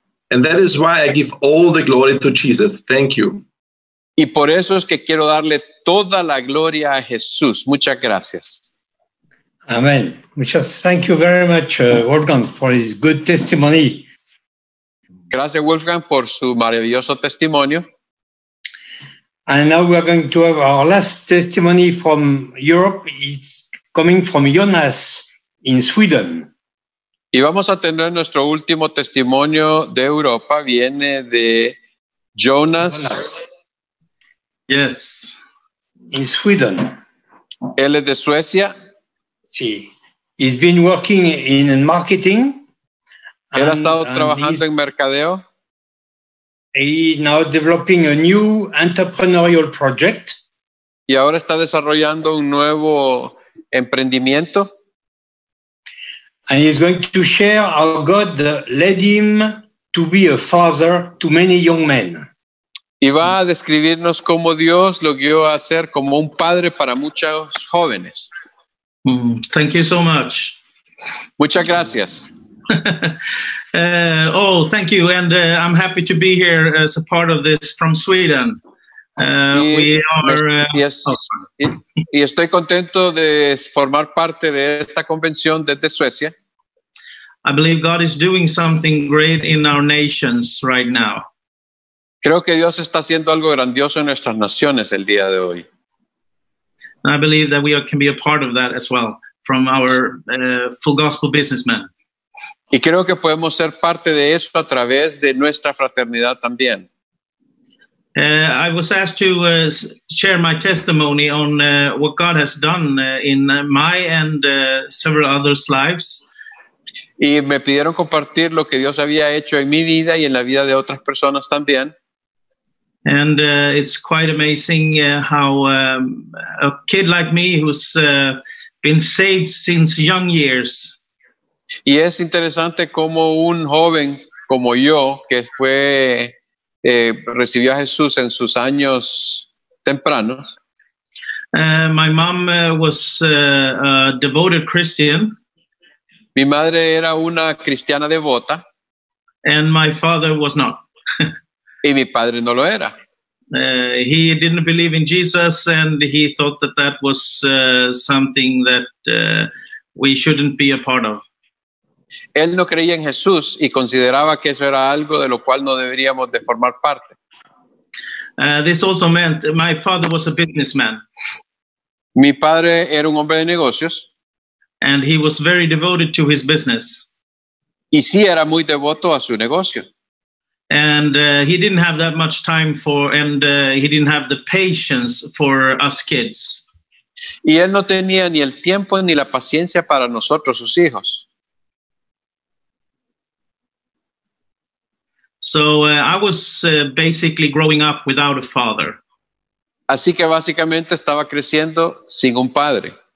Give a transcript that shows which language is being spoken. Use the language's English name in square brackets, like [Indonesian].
[English] And that is why I give all the glory to Jesus. Thank you. [Spanish] Y por eso es que quiero darle toda la gloria a Jesús. Muchas gracias. Amén. Muchas [English] thank you very much, Wolfgang, for his good testimony. [Spanish] Gracias, Wolfgang, por su maravilloso testimonio. [English] And now we are going to have our last testimony from Europe. It's coming from Jonas in Sweden. [Spanish] Y vamos a tener nuestro último testimonio de Europa. Viene de Jonas. Hola. [English] Yes. In Sweden. [Spanish] Él es de Suecia. Sí. [English] He's been working in marketing. [Spanish] Él ha estado trabajando en mercadeo. [English] He's now developing a new entrepreneurial project. [Spanish] Y ahora está desarrollando un nuevo emprendimiento. [English] And he's going to share how God led him to be a father to many young men. [Spanish] Y va a describirnos cómo Dios lo guió a ser como un padre para muchos jóvenes. [English] Thank you so much. [Spanish] Muchas gracias. [English] thank you. And I'm happy to be here as a part of this from Sweden. [Spanish] Y estoy contento de formar parte de esta convención desde Suecia. [English] I believe God is doing something great in our nations right now. [Spanish] Creo que Dios está haciendo algo grandioso en nuestras naciones el día de hoy. [English] I believe that we can be a part of that as well from our full gospel businessmen. [Spanish] Y creo que podemos ser parte de eso a través de nuestra fraternidad también. [English] I was asked to share my testimony on what God has done in my and several others' lives. [Spanish] Y me pidieron compartir lo que Dios había hecho en mi vida y en la vida de otras personas también. [English] And it's quite amazing how a kid like me who's been saved since young years. [Spanish] Y es interesante cómo un joven como yo, que fue recibió a Jesús en sus años tempranos. [English] My mom was a devoted Christian. [Spanish] Mi madre era una cristiana devota. [English] And my father was not. [Spanish] Y mi padre no lo era. [English] He didn't believe in Jesus, and he thought that that was something that we shouldn't be a part of. [Spanish] Él no creía en Jesús y consideraba que eso era algo de lo cual no deberíamos de formar parte. [English] This also meant my father was a businessman. [Spanish] Mi padre era un hombre de negocios. [English] And he was very devoted to his business. [Spanish] Y sí, era muy devoto a su negocio. [English] And he didn't have that much time for, and he didn't have the patience for us kids. [Spanish] Y él no tenía ni el tiempo ni la paciencia para nosotros, sus hijos. [English] So I was basically growing up without a father. [Spanish] Así que básicamente estaba creciendo sin un padre.